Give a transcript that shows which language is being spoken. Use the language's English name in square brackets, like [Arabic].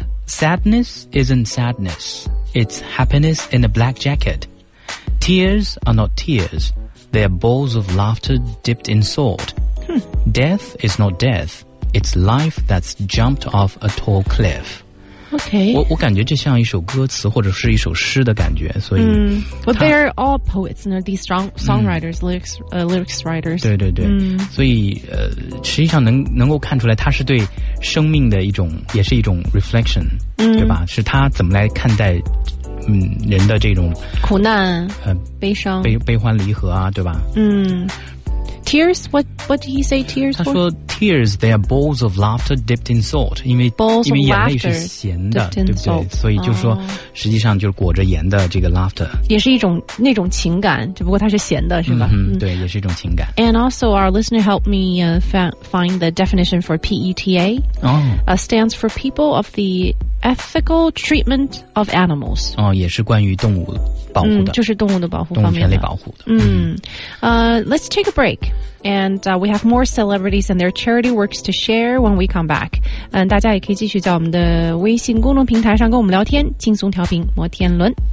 [English] Sadness isn't sadness, it's happiness in a black jacket. Tears are not tears. They are balls of laughter dipped in salt. Death is not death. It's life that's jumped off a tall cliff. Okay. [Chinese] 我感觉这像一首歌词或者是一首诗的感觉，所以。 [English] But they're all poets, and these strong songwriters, lyrics writers. [Chinese] 对对对。所以实际上能够看出来，他是对生命的一种，也是一种 reflection， 对吧？是他怎么来看待。人的这种苦难悲伤悲欢离合啊，对吧？ [English] Tears, what did he say tears for? [Chinese] 他说 [English] tears, they are balls of laughter dipped in salt. [Chinese] 因为眼泪是咸的，对不对？所以就说实际上就是裹着盐的这个 laughter 也是一种那种情感，只不过它是咸的，是吧？对，也是一种情感。 [English] And also our listener helped me find the definition for PETA. Stands for people of the ethical treatment of animals. [Chinese] 也是关于动物保护的，就是动物的保护方面的，动物权利保护的。 [English] Let's take a break. And we have more celebrities and their charity works to share when we come back. [Chinese] 大家也可以继续在我们的微信公众平台上跟我们聊天，轻松调频摩天轮。